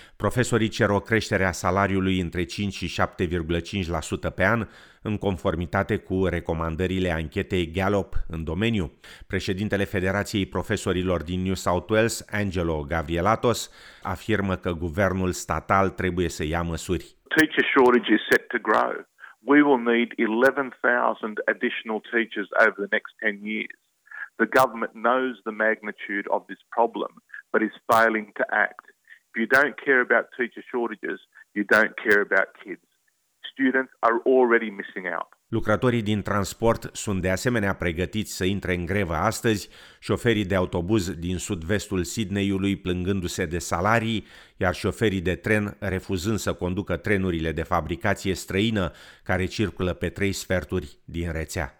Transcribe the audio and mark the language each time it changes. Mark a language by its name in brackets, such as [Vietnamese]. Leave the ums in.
[Romanian] Profesorii cer o creștere a salariului între 5 și 7,5% pe an, în conformitate cu recomandările anchetei Gallup în domeniu. Președintele Federației Profesorilor din New South Wales, Angelo Gavrielatos, afirmă că guvernul statal trebuie să ia măsuri. [English] Teacher shortage is set to grow. We will need 11,000 additional teachers over the next 10 years. The government knows the magnitude of this problem, but is failing to act. If you don't care about teacher shortages, you don't care about kids students are already missing out. [Romanian] Lucrătorii din transport sunt de asemenea pregătiți să intre în grevă astăzi, șoferii de autobuz din sud-vestul Sydneyului plângându-se de salarii, iar șoferii de tren refuzând să conducă trenurile de fabricație străină care circulă pe trei sferturi din rețea.